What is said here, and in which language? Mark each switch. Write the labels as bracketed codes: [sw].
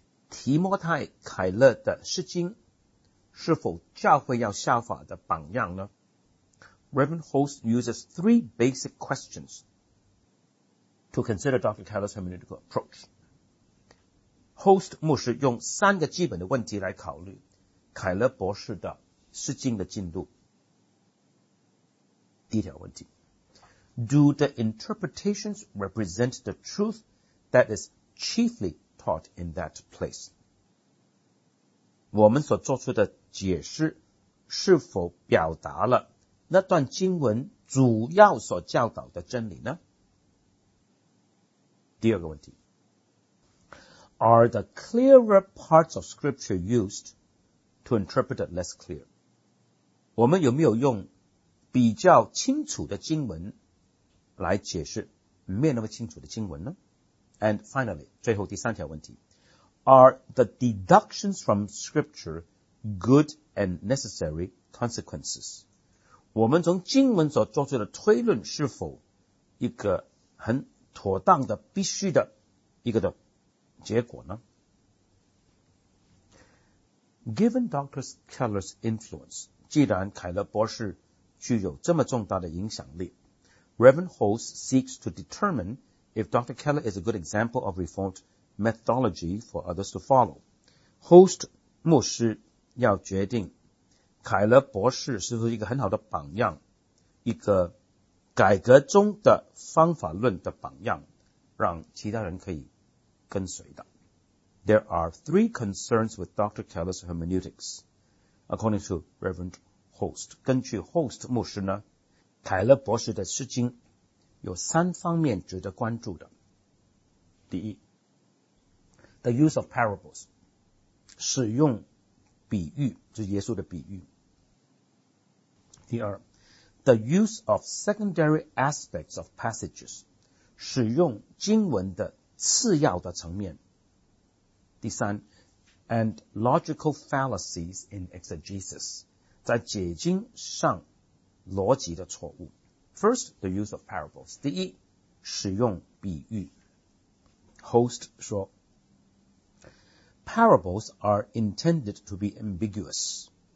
[zh] 提摩太·凯勒的释经是否教会要效法的榜样呢？ [en] Reverend Host uses three basic questions to consider Dr. Keller's hermeneutical approach. [zh] Host 牧师用三个基本的问题来考虑凯勒博士的释经的进度。第一条问题， [en] Do the interpretations represent the truth that is chiefly taught in that place? [zh] 我们所做出的解释是否表达了那段经文主要所教导的真理呢？第二个问题， [en] Are the clearer parts of scripture used to interpret it less clear? [zh] 我们有没有用比较清楚的经文来解释没那么清楚的经文呢？ [en] And finally, [zh] 最后第三条问题， [en] Are the deductions from scripture good and necessary consequences? [zh] 我们从经文所做出的推论是否一个很妥当的必须的一个的结果呢？ [en] Given Dr. Keller's influence, [zh] 既然凯勒博士具有这么重大的影响力， [en] Reverend Host seeks to determine if Dr. Keller is a good example of Reformed methodology for others to follow. [zh] Host 牧师要决定凯勒博士是不是一个很好的榜样，一个改革中的方法论的榜样，让其他人可以跟随的。 [en] There are three concerns with Dr. Keller's hermeneutics. According to Reverend Host, [zh] 根据 Host 牧师呢，凯勒博士的释经有三方面值得关注的。第一， [en] The use of parables, [zh] 使用比喻，就是耶稣的比喻。第二， [en] The use of secondary aspects of passages, [zh] 使用经文的次要的层面。第三， [en] And logical fallacies in exegesis, [zh] 在解经上逻辑的错误。 [en] First, the use of parables. [zh] 第一，使用比喻。 [en] Host 说，Parables are intended to be ambiguous.